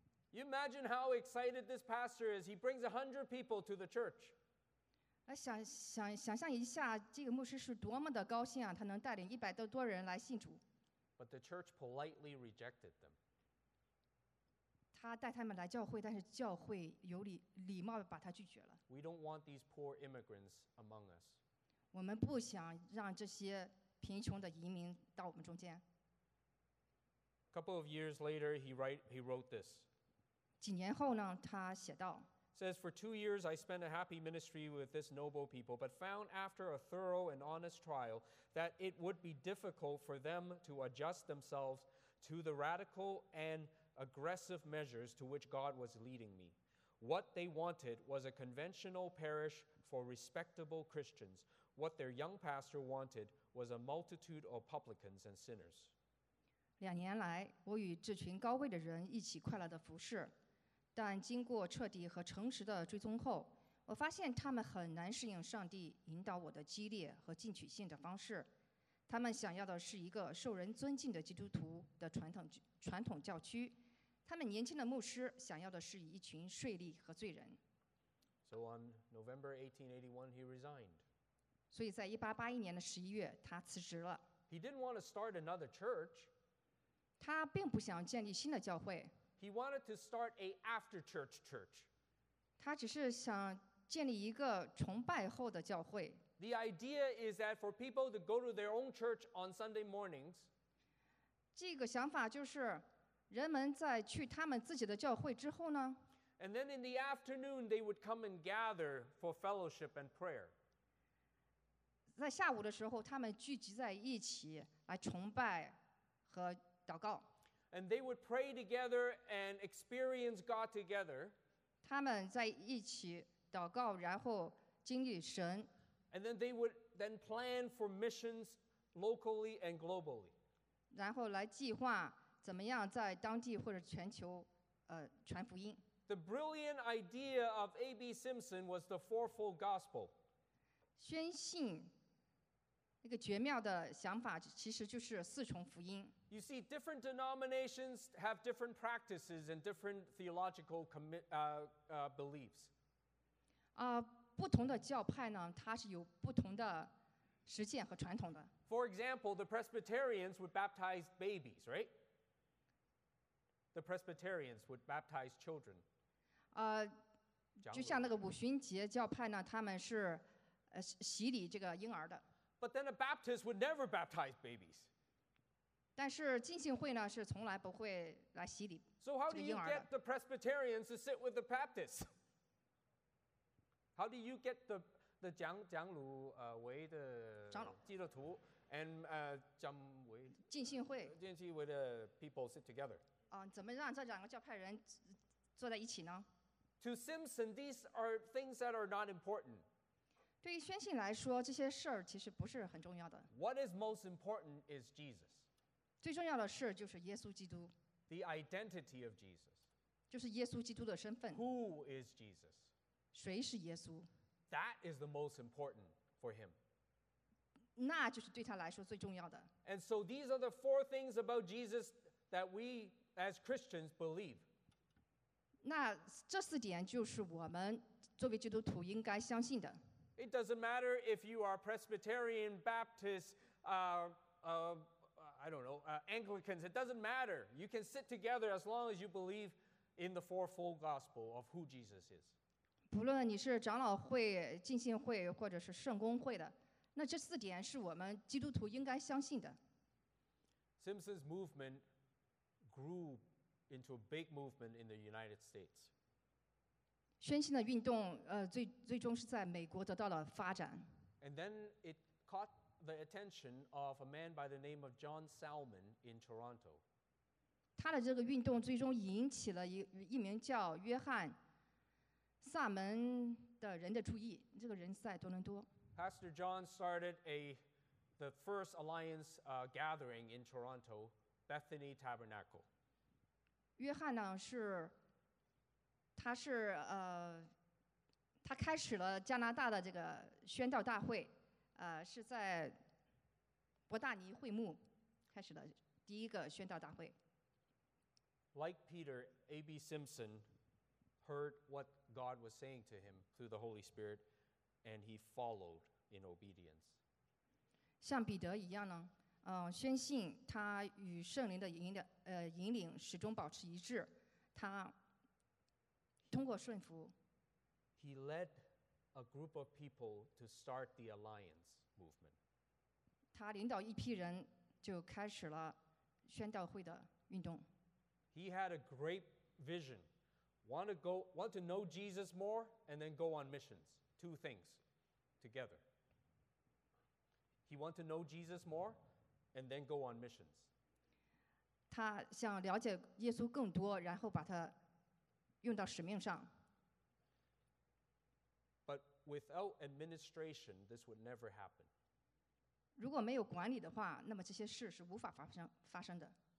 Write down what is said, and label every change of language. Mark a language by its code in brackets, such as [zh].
[en] You imagine how excited this pastor is. He brings 100 people to the church. [zh] 想象一下，这个牧师是多么的高兴啊！他能带领100多人来信主。 [en] But the church politely rejected them. [zh] 他带他们来教会，但是教会有礼貌把他拒绝了。 [en] We don't want these poor immigrants among us. [zh] 我们不想让这些贫穷的移民到我们中间。 [en] A couple of years later, he wrote this. [zh] 几年后呢，他写道。 [en] Says, for 2 years I spent a happy ministry with this noble people, but found after a thorough and honest trial that it would be difficult for them to adjust themselves to the radical and aggressive measures to which God was leading me. What they wanted was a conventional parish for respectable Christians. What their young pastor wanted was a multitude of publicans and sinners. [zh] 两年来，我与这群高贵的人一起快乐地服侍，但经过彻底和诚实的追踪后，我发现他们很难适应上帝引导我的激烈和进取性的方式。他们想要的是一个受人尊敬的基督徒的传统教区，他们年轻的牧师想要的是一群税吏和罪人。 [en] So on November 1881, he resigned. [zh] 所以在1881年的11月，他辞职了。 [en] He didn't want to start another church. [zh] 他并不想建立新的教会。 [en] He wanted to start an after-church church. [zh] 他只是想建立一个崇拜后的教会。 [en] The idea is that for people to go to their own church on Sunday mornings, [zh] 这个想法就是人们在去他们自己的教会之后呢， [en] and then in the afternoon, they would come and gather for fellowship and prayer. [zh] 在下午的时候，他们聚集在一起来崇拜和祷告。 [en] And they would pray together and experience God together. [zh] 他们在一起祷告，然后经历神。 [en] And then they would then plan for missions locally and globally. [zh] 然后来计划怎么样在当地或者全球，传福音。 [en] The brilliant idea of A.B. Simpson was the fourfold gospel. [zh] 宣信那个绝妙的想法其实就是四重福音。 [en] You see, different denominations have different practices and different theological beliefs. [zh] 不同的教派呢，它是有不同的实践和传统的。 [en] For example, the Presbyterians would baptize babies, right? The Presbyterians would baptize children. [zh] 就像那个五旬节教派呢，他们是洗礼这个婴儿的。 [en] But then a Baptist would never baptize babies. [zh] 但是浸信会呢是从来不会来洗礼这个婴儿的。 [en] So how do you get the Presbyterians to sit with the Baptists? How do you get the [zh] 蒋鲁为的基督徒 [en] and [zh] 蒋为浸信会浸信会的 [en] people sit together? [zh] 怎么让这两个教派人坐在一起呢 [en] ？To Simpson, these are things that are not important. [zh] 对于宣信来说，这些事儿其实不是很重要的。 [en] What is most important is Jesus. [zh] 最重要的事就是耶稣基督。 [en] The identity of Jesus. [zh] 就是耶稣基督的身份。 [en] Who is Jesus? [zh] 谁是耶稣？ [en] That is the most important for him. [zh] 那就是对他来说最重要的。 [en] And so these are the four things about Jesus that we as Christians believe. [zh] 那这四点就是我们作为基督徒应该相信的。 [en] It doesn't matter if you are Presbyterian, Baptist, I don't know, Anglicans, it doesn't matter. You can sit together as long as you believe in the fourfold gospel of who Jesus is. [zh] 不论你是长老会、浸信会或者是圣公会的，那这四点是我们基督徒应该相信的。 [en] Simpson's movement grew into a big movement in the United States. [zh] 宣信的运动，最终是在美国得到了发展。 [en] And then it caught the attention of a man by the name of John Salmon in Toronto. [zh] 他的这个运动最终引起了 一名叫约翰萨门的人的注意，这个人在多伦多。 [en] Pastor John started the first alliance gathering in Toronto, Bethany Tabernacle. [zh] 约翰呢是他是他开始了加拿大的这个宣道大会。是在伯大尼会幕开始的第一个宣道大会。 [en] Like Peter, A.B. Simpson heard what God was saying to him through the Holy Spirit, and he followed in obedience. [zh] 像彼得一样呢，宣信他与圣灵的引领始终保持一致，他通过顺服。 [en] He led a group of people to start the alliance. Movement. [zh] 他领导一批人就开始了宣道会的运动。 [en] He had a great vision. Want to know Jesus more and then go on missions. Two things together. He want to know Jesus more and then go on missions. [zh] 他想了解耶稣更多，然后把他用到使命上。 [en] But without administration, this would never happen. [zh] 如果没有管理的话，那么这些事是无法发生的。